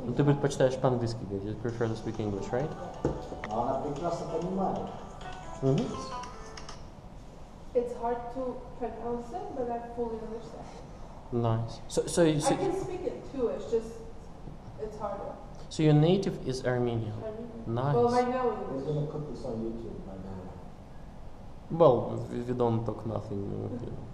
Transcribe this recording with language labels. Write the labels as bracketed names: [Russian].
[Russian] Ну, ты предпочитаешь по-английски, [English] you prefer to speak English, right? [Russian] Но она прекрасно понимает. [English] It's hard to pronounce it, but I fully understand. Nice. So I can speak it too. It's just it's harder. So your native is Armenian. Nice. Well, I know it. We're gonna put this on YouTube. Well, we don't talk nothing.